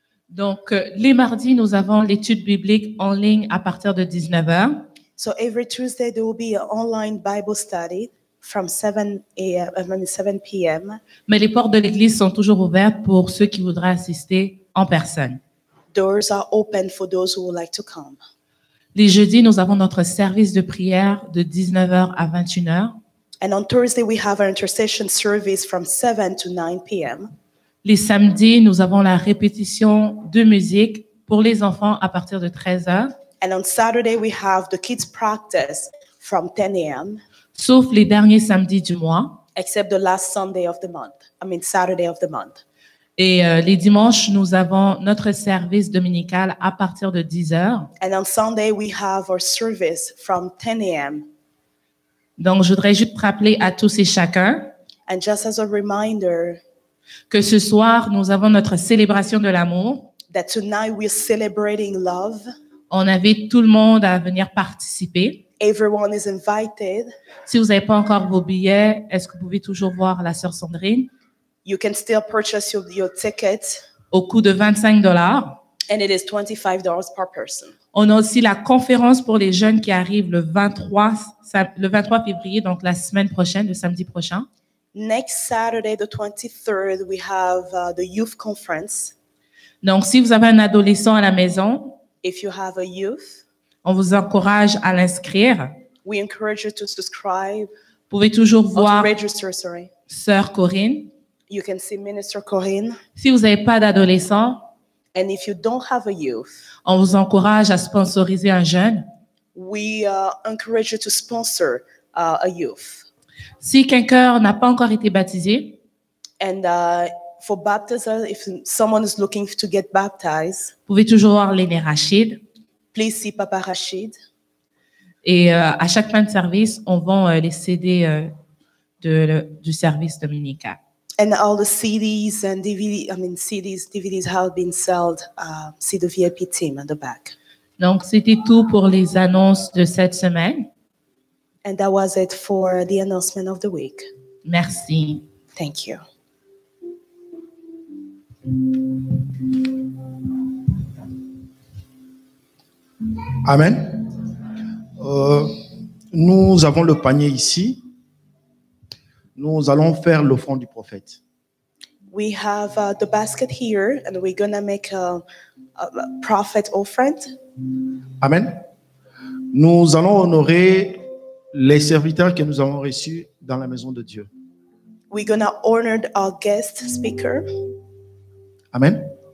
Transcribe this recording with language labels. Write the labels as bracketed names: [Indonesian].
[French] Donc, les mardis, nous avons l'étude biblique en ligne à partir de 19h. [English] So, every Tuesday, there will be an online Bible study from 7 p.m. [French] Mais les portes de l'église sont toujours ouvertes pour ceux qui voudraient assister en personne. [English] Doors are open for those who would like to come. [French] Les jeudis, nous avons notre service de prière de 19h à 21h. [English] And on Thursday, we have our intercession service from 7 to 9 p.m. [French] Les samedis, nous avons la répétition de musique pour les enfants à partir de 13h. [English] And on Saturday, we have the kids practice from 10 a.m. [French] Sauf les derniers samedis du mois. [English] Except the last Sunday of the month. I mean, Saturday of the month. [French] Et les dimanches, nous avons notre service dominical à partir de 10h. [English] And on Sunday, we have our service from 10 a.m. [French] Donc, je voudrais juste rappeler à tous et chacun [English] and just as a reminder, [French] que ce soir, nous avons notre célébration de l'amour. [English] That tonight we're celebrating love. [French] On invite tout le monde à venir participer. [English] Everyone is invited. [French] Si vous n'avez pas encore vos billets, est-ce que vous pouvez toujours voir la sœur Sandrine? [English] You can still purchase your ticket. [French] Au coût de $25. [English] And it is $25 per person. [French] On a aussi la conférence pour les jeunes qui arrive le 23 février, donc la semaine prochaine, le samedi prochain. [English] Next Saturday, the 23rd, we have the youth conference. [French] Donc, si vous avez un adolescent à la maison, [English] if you have a youth, [French] on vous encourage à l'inscrire. [English] We encourage you to subscribe. [French] Vous pouvez toujours voir [English] register, sorry. [French] Sœur Corinne. [English] You can see Minister Corinne. Si vous n'avez pas d'adolescent, and if you don't have a youth, on vous encourage à sponsoriser un jeune. We encourage you to sponsor a youth. Si quelqu'un n'a pas encore été baptisé, and for baptism, if someone is looking to get baptized, vous pouvez toujours voir l'aîné Rachid. Please see Papa Rachid. Et à chaque fin de service, on vend les CD du service dominical. And all the CDs and DVDs have been sold. See the VIP team at the back. [French] Donc, c'était tout pour les annonces de cette semaine. [English] And that was it for the announcement of the week. [French] Merci. [English] Thank you. Amen. [French] Nous avons le panier ici. Nous allons faire l'offrande du prophète. [English] We have the basket here, and we're going to make a prophet offering. Amen. [French] Nous allons honorer les serviteurs que nous avons reçus dans la maison de Dieu. [English] We're going to honor our guest speaker. Amen.